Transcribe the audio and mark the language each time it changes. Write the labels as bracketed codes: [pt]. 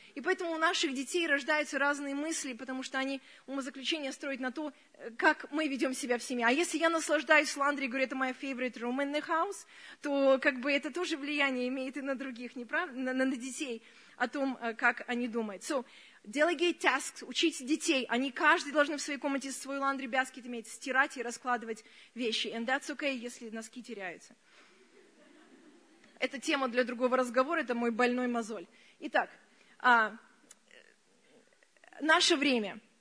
[ru] И поэтому у наших детей рождаются разные мысли, потому что они умозаключение строят на то, как мы ведем себя в семье. А если я наслаждаюсь ландри и говорю, это [en] my favorite room in the house, [ru] то как бы это тоже влияние имеет и на других, не прав... на детей, о том, как они думают. [en] So, delegate tasks, [ru] учите детей. Они каждый должны в своей комнате свой laundry basket иметь, стирать и раскладывать вещи. [en] And that's okay, [ru] если носки теряются. Это тема для другого разговора, это мой больной мозоль. Итак, наше время.